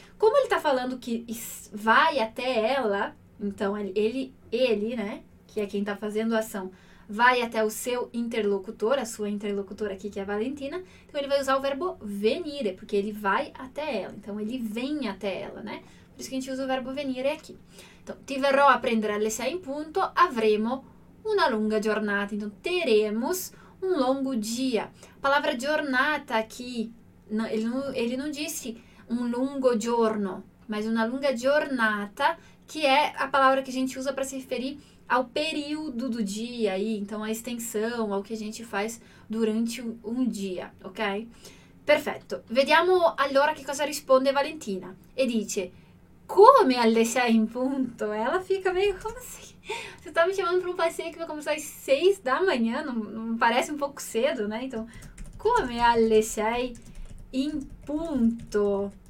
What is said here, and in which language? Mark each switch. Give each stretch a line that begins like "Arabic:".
Portuguese: Como ele tá falando que vai até ela... Então, ele, né, que é quem tá fazendo a ação, vai até o seu interlocutor, a sua interlocutora aqui, que é a Valentina. Então, ele vai usar o verbo venire, porque ele vai até ela. Então, ele vem até ela, né? Por isso que a gente usa o verbo venire aqui.
Italian: Então, ti verrò a prendere alle 6 in punto, avremo una lunga giornata.
Portuguese: Então, teremos um longo dia. A palavra giornata aqui, ele não disse
Italian: un lungo giorno,
Portuguese: mas
Italian: una lunga giornata,
Portuguese: que é a palavra que a gente usa para se referir ao período do dia aí, então a extensão, ao que a gente faz durante um dia, ok? Perfeito.
Italian: Vediamo allora che cosa risponde Valentina. E dice, come alle 6 in punto?
Portuguese: Ela fica meio como assim? Você tá me chamando para um passeio que vai começar às 6 da manhã, não parece um pouco cedo, né? Então,
Italian: come alle 6 in punto?